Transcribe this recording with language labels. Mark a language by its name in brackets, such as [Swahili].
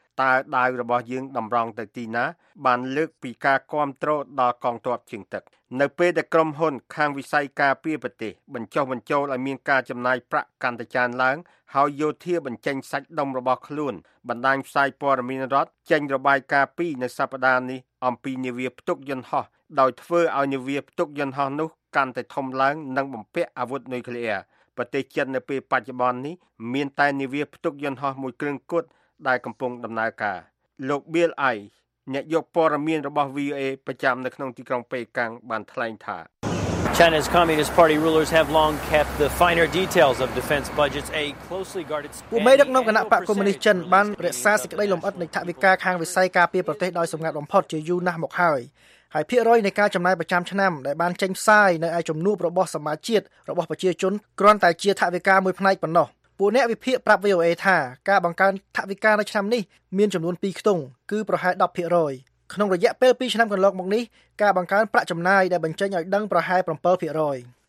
[Khmer] តើដាវរបស់យើងតម្រង់ទៅទីណាបានលើកពីការគ្រប់គ្រងដល់កងទ័ពជើងទឹកនៅពេលដែលក្រុមហ៊ុនខាងវិស័យការពារប្រទេសបញ្ចុះបញ្ចូលឲ្យមានការចំណាយប្រាក់កាន់តែច្រើនឡើងហើយយោធាបញ្ចេញសាច់ដុំរបស់ខ្លួនបណ្ដាញផ្សាយព័ត៌មានរដ្ឋចេញរបាយការណ៍ពីនៅសប្ដាហ៍នេះអំពីនាវាផ្ទុកយន្តហោះដោយធ្វើឲ្យនាវាផ្ទុកយន្តហោះនោះកាន់តែធំឡើងនិងបំពាក់អាវុធនុយក្លេអ៊ែរប្រទេសចិននៅពេលបច្ចុប្បន្ននេះ មានតែនាវាផ្ទុកយន្តហោះមួយគ្រឿងគត់ដែលកំពុងដំណើរការលោកប៊ីលអៃអ្នកយកព័ត៌មានរបស់ VOA ប្រចាំនៅក្នុងទីក្រុងប៉េកាំងបានថ្លែងថា [English] China's Communist Party rulers have long kept the finer details of defense budgets a closely guarded space. [Khmer] មេដឹកនាំគណៈបក្សកុម្មុយនីស្តចិនបានរក្សាសេចក្តីលម្អិតនៃថវិកាខាងវិស័យការពារប្រទេសដោយសម្ងាត់បំផុតជាយូរណាស់មកហើយហើយភាគរយនៃការចំណាយប្រចាំឆ្នាំដែលបានចេញផ្សាយនៅឯចំនួនរបស់សមាជិករបស់ប្រជាជនគ្រាន់តែជាថវិកាមួយផ្នែកប៉ុណ្ណោះពួកអ្នកវិភាគប្រាប់ VOA ថាការបង្កើនថវិកានៅឆ្នាំនេះមានចំនួន2ខ្ទង់គឺប្រហែល 10% ក្នុងរយៈពេល2ឆ្នាំកន្លងមកនេះការបង្កើនប្រាក់ចំណាយដែលបញ្ចេញឲ្យដឹងប្រហែល 7%